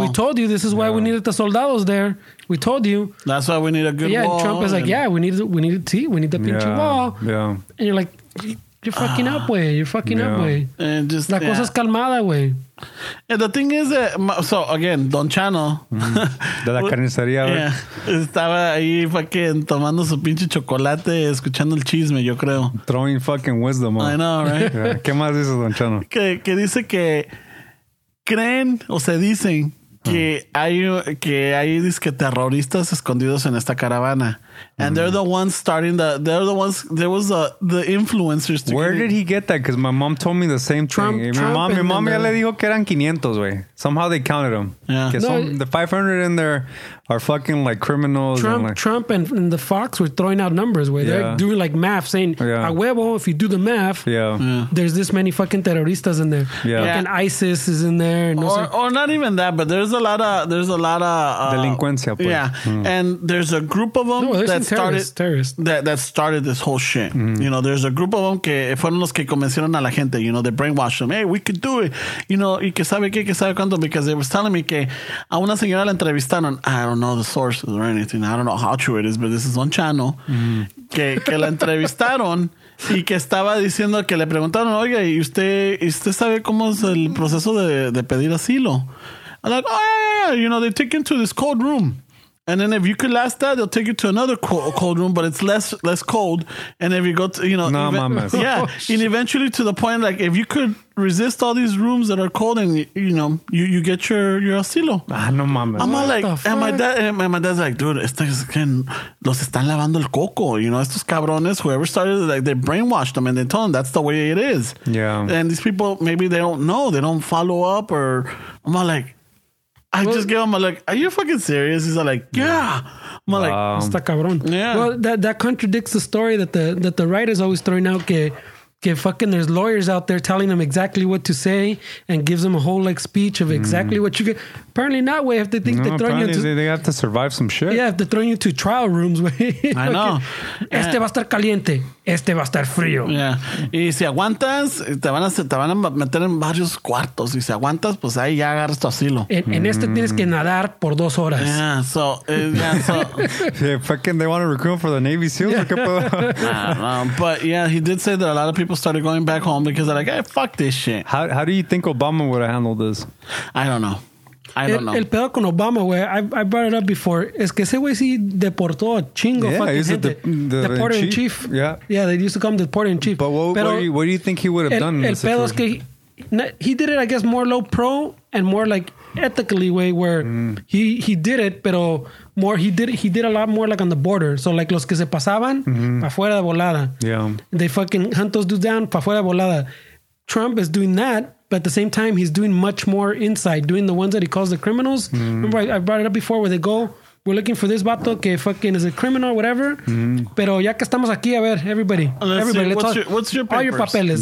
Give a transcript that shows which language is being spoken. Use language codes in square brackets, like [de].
[en] We told you this is why we needed the soldados there. We told you. That's why we need a good Yeah, and Trump is like, yeah, we need tea. We need the pinche wall. Yeah. And you're like, you're fucking up, way. You're fucking up, way. And just, [es] la cosa es calmada, way. [en] Yeah, the thing is that, so again, Don Chano. [es] De la carnicería, güey. Yeah, estaba ahí fucking tomando su pinche chocolate, escuchando el chisme, yo creo. [en] Throwing fucking wisdom. I know, right? [es] ¿Qué más dices, Don Chano? Que dice que creen o se dicen que hay dizque terroristas escondidos en esta caravana. [en] And they're the ones starting the, they're the ones, there was the influencers. To where did he get that? Because my mom told me the same Trump, thing. Trump, my mom [es] ya le dijo que eran 500, güey. [en] Somehow they counted them. Yeah. No, the 500 in there are fucking like criminals. Trump and, like, Trump and the Fox were throwing out numbers, where they're doing like math, saying, [es] a huevo, [en] if you do the math, there's this many fucking terroristas in there. Fucking ISIS is in there. And or not even that, but there's a lot of [es] delinquencia. Pues. [en] Yeah. Mm. And there's a group of them. No, that started this whole shit. Mm. You know, there's a group of them [es] que fueron los que convencieron a la gente. [en] You know, they brainwashed them. Hey, we could do it. You know, [es] y que sabe qué, que sabe cuánto. [en] Because they were telling me [es] que a una señora la entrevistaron. [en] I don't know the sources or anything. I don't know how true it is, but this is on Chano. [es] Que la entrevistaron y que estaba diciendo que le preguntaron, oiga, ¿y usted sabe cómo es el proceso de pedir asilo? [en] I'm like, oh, yeah. You know, they take you into this cold room. And then if you could last that, they'll take you to another cold room, but it's less cold. And if you go to, you know, [es] no, mames. [en] Yeah. And eventually to the point, like, if you could resist all these rooms that are cold and, you know, you get your asilo. [es] Ah, no mames. [en] I'm all like, and my dad's like, dude, [es] estos can, los están lavando el coco. [en] You know, [es] estos cabrones, [en] whoever started, like, they brainwashed them and they told them that's the way it is. Yeah. And these people, maybe they don't know. They don't follow up or I'm all like. I well, just gave him a look. Are you fucking serious? He's like, yeah. I'm like, [es] está cabrón. [en] Yeah. Well, that contradicts the story that the writer is always throwing out. Que fucking there's lawyers out there telling them exactly what to say and gives them a whole like speech of exactly what you get. Apparently not. Way if they think they're throwing you into, they have to survive some shit. Yeah, if they're throwing you to trial rooms. Way. I know. [es] Okay. Este va a estar caliente. Este va a estar frío. Yeah. Y si aguantas, te van a meter en varios cuartos. Y si aguantas, pues ahí ya agarras tu asilo. En este tienes que nadar por dos horas. [en] Yeah, so. Yeah, fucking they want to recruit for the Navy SEALs. Yeah. But yeah, he did say that a lot of people started going back home because they're like, hey, fuck this shit. How do you think Obama would have handled this? I don't know. [es] El pedo con Obama, güey, [en] I brought it up before, [es] es que ese güey sí deportó a chingo fucking gente. [en] Deporter in chief. Yeah. Yeah, they used to call him deporter in chief. But what do you think he would have done? [es] El pedo es que [en] he did it, I guess, more low pro and more like ethically way where he did it, pero more he did a lot more like on the border. [es] So like los que se pasaban, pa' fuera de volada. [en] Yeah. They fucking hunt those dudes down, [es] pa' fuera de volada. [en] Trump is doing that. But at the same time, he's doing much more inside, doing the ones that he calls the criminals. Remember, I brought it up before where they go, we're looking for this vato que fucking is a criminal, whatever. [es] Mm-hmm. Pero ya que estamos aquí, a ver, everybody. Let's [en] see. What's your papers? All your papeles.